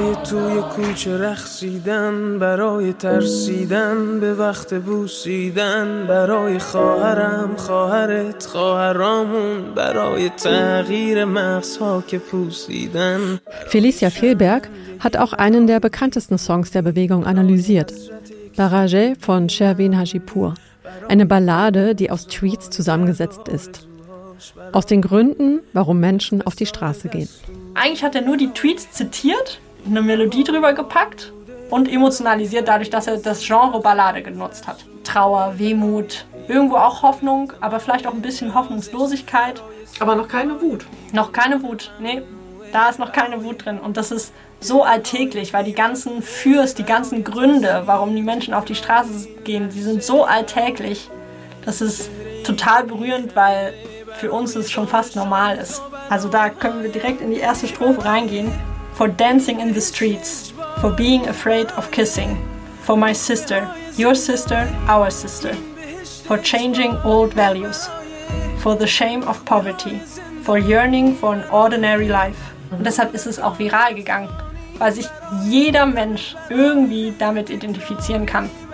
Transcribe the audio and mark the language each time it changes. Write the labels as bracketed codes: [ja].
[fa] توی کوچه رخصیدن برای ترسیدن به وقت بوسیدن برای خواهرم خواهرت خواهرامون برای تغییر مغزها که پوسیدن. [de] Felicia Fehlberg hat auch einen der bekanntesten Songs der Bewegung analysiert. Barrage von Sherwin Hajipour. Eine Ballade, die aus Tweets zusammengesetzt ist. Aus den Gründen, warum Menschen auf die Straße gehen. Eigentlich hat er nur die Tweets zitiert, eine Melodie drüber gepackt und emotionalisiert dadurch, dass er das Genre Ballade genutzt hat. Trauer, Wehmut, irgendwo auch Hoffnung, aber vielleicht auch ein bisschen Hoffnungslosigkeit. Aber noch keine Wut. Noch keine Wut, nee, da ist noch keine Wut drin. Und das ist so alltäglich, weil die ganzen Fürs, die ganzen Gründe, warum die Menschen auf die Straße gehen, die sind so alltäglich, das ist total berührend, weil für uns es schon fast normal ist. Also da können wir direkt in die erste Strophe reingehen. [en] For dancing in the streets, for being afraid of kissing, for my sister, your sister, our sister, for changing old values, for the shame of poverty, for yearning for an ordinary life. [de] Und deshalb ist es auch viral gegangen, weil sich jeder Mensch irgendwie damit identifizieren kann.